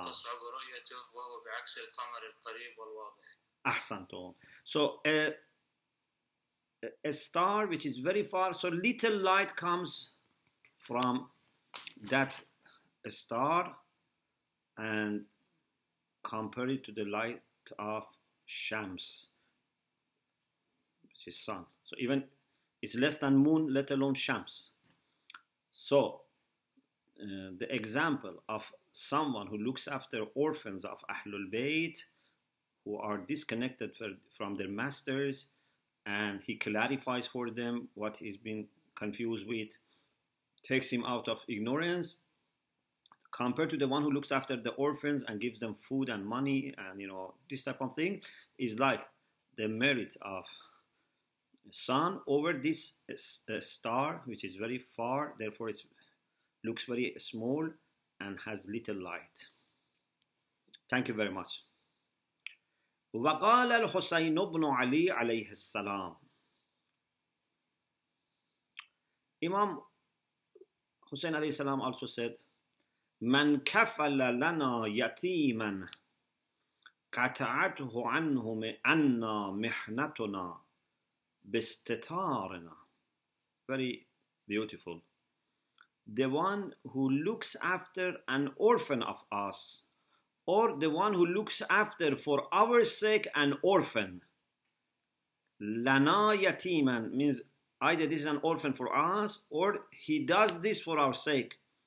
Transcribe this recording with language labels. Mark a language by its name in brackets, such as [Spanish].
[Arabic] وتصعب رؤيته وهو بعكس القمر القريب والواضح. Ahsanto. [English] So a star which is very far, so little light comes from that star and compare it to the light of Shams, which is sun. So even it's less than moon, let alone Shams. So the example of someone who looks after orphans of Ahlul Bayt, who are disconnected from their masters, and he clarifies for them what he's been confused with, takes him out of ignorance, compared to the one who looks after the orphans and gives them food and money and, you know, this type of thing, is like the merit of sun over this star, which is very far, therefore it looks very small and has little light. Thank you very much. [Arabic] وقال الحسين بن علي عليه السلام. Imam Hussein عليه السلام [English] also said, [Arabic] من كفل لنا يتيما قطعته عنه أن محنتنا باستتارنا. [English] Very beautiful. The one who looks after an orphan of us, or the one who looks after for our sake an orphan. Lana yatiman means either this is an orphan for us, or he does this for our sake.